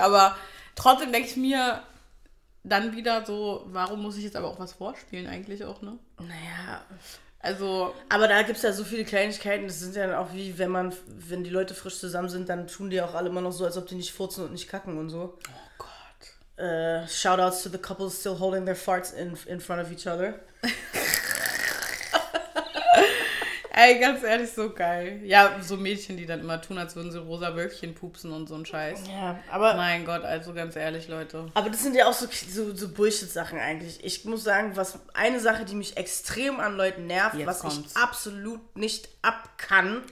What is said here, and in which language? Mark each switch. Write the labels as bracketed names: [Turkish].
[German] Aber trotzdem denke ich mir dann wieder so, warum muss ich jetzt aber auch was vorspielen eigentlich auch, ne? Naja. Also. Aber da gibt es ja so viele Kleinigkeiten. Das sind ja auch wie, wenn die Leute frisch zusammen sind, dann tun die auch alle immer noch so, als ob die nicht furzen und nicht kacken und so. Oh Gott. [English] Shoutouts to the couples still holding their farts in front of each other. [German] Ey, ganz ehrlich, so geil. Ja, so Mädchen, die dann immer tun, als würden sie rosa Wölkchen pupsen und so ein Scheiß. Ja, aber... Mein Gott, also ganz ehrlich, Leute. Aber das sind ja auch so Bullshit-Sachen eigentlich. Ich muss sagen, was eine Sache, die mich extrem an Leuten nervt, jetzt was kommt's. Ich absolut nicht ab kann.